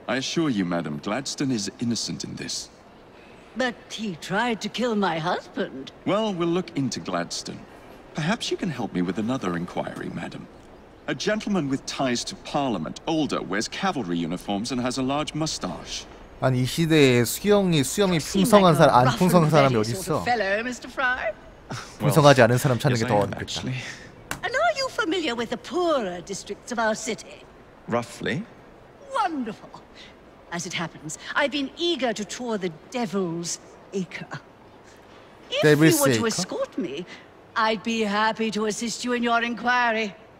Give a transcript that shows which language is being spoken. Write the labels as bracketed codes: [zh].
[en] I assure you, madam, Gladstone is innocent in this. But he tried to kill my husband. Well, we'll look into Gladstone. Perhaps you can help me with another inquiry, madam. A gentleman with ties to Parliament, older, wears cavalry uniforms and has a large mustache. [ko] 아니 이 시대에 수염이 풍성한 사람 안 풍성한 사람이 어디 있어? [en] Fellow, Mr. Fry. [ko] 풍성하지 않은 사람 찾는 게 더 어렵겠지. [en] And are you familiar with the poorer districts of our city? Roughly. Wonderful. As it happens, I've been eager to tour the Devil's Acre. If Devil's you were to escort me, I'd be happy to assist you in your inquiry.